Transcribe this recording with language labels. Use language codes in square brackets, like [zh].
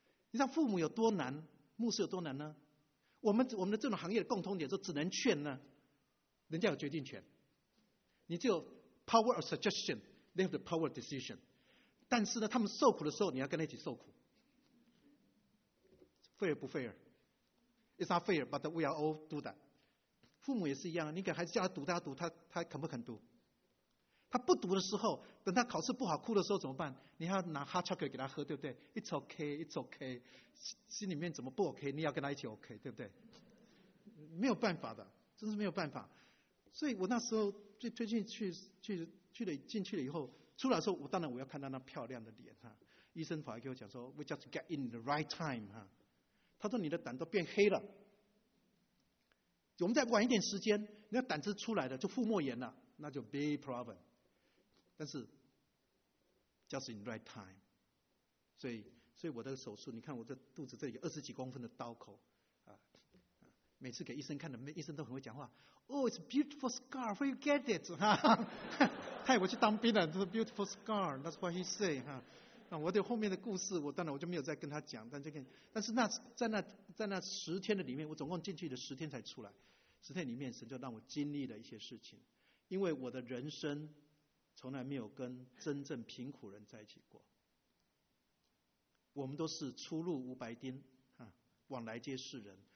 [zh] 你知道父母有多难，牧师有多难呢？我们的这种行业的共通点是只能劝呢，人家有决定权，你只有 [en] power of suggestion， they have the power of decision。 [zh] 但是呢，他们受苦的时候，你要跟他一起受苦。 [en] Fair [zh] 不 [en] fair？ It's not fair， but we are all do that。 [zh] 父母也是一样，你给孩子叫他读，他要读，他肯不肯读？他不读的时候，等他考试不好哭的时候怎么办？你要拿 [en] hot chocolate [zh] 给他喝，对不对？ [en] It's OK， It's OK， [zh] 心里面怎么不 OK， 你要跟他一起 OK， 对不对？没有办法的，真是没有办法。所以我那时候就推进去了，进去了以后出来的时候，我当然我要看到那漂亮的脸哈。医生跑来跟我讲说 [en] We just get in the right time [zh] 哈，他说你的胆都变黑了，我们再晚一点时间，你的胆汁出来了就腹膜炎了，那就 [en] big problem。 [zh] 但是 [en] just in right time， [zh] 所以我的手术，你看我的肚子这里有二十几公分的刀口，每次给医生看的，医生都很会讲话 ， [en] Oh， it's beautiful scar， where you get it？ [zh] 他以为去当兵了，他说 [en] beautiful scar， that's what he say [zh] 哈。那我的后面的故事，我当然我就没有再跟他讲，但是那在那十天的里面，我总共进去的十天才出来，十天里面神就让我经历了一些事情，因为我的人生。从来没有跟真正贫苦人在一起过，我们都是出入无白丁，往来皆是人。